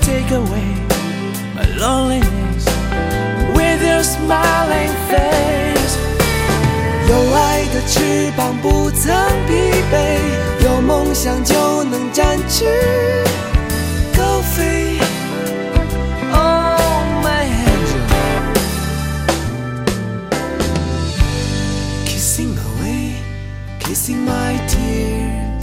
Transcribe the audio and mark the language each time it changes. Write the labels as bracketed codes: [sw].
[en] Away my loneliness with your smiling face. [zh] 有爱的翅膀不曾疲惫，有梦想就能展翅高飞。 [en] Oh my angel, kissing away, kissing my tears.